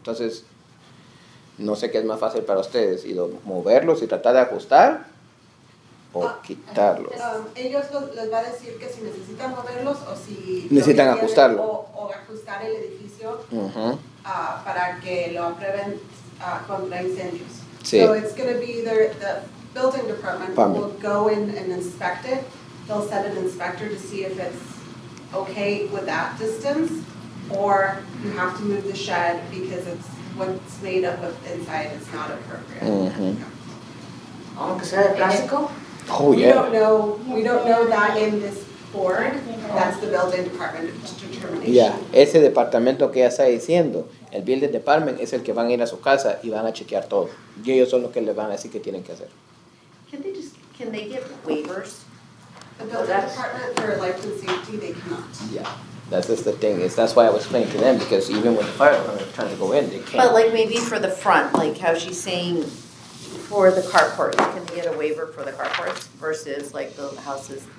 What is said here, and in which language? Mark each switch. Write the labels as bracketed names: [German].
[Spanish] Entonces, no sé qué es más fácil para ustedes, ido moverlos y tratar de ajustar o quitarlos. Ellos les va a decir que si necesitan moverlos o si necesitan ajustarlo. O ajustar el edificio para que lo aprueben contra incendios. Sí. [English] So it's going to be either the building department will go in and inspect it. They'll send an inspector to see if it's okay with that distance, or you have to move the shed because it's what's made up of inside is not appropriate. [Spanish] Aunque sea de plástico. [English] Oh, yeah. We don't know that in this board. That's the building department determination. [Spanish] Yeah, ese departamento que ya está diciendo. El building department es el que van a ir a su casa y van a chequear todo. Y ellos son los que les van a decir qué tienen que hacer. [English] Can they give waivers? The building department for life and safety, they cannot. Yeah, that's just the thing. That's why I was explaining to them, because even when the fire department trying to go in, they can't. But like maybe for the front, like how she's saying for the carport, can they get a waiver for the carports versus like the houses?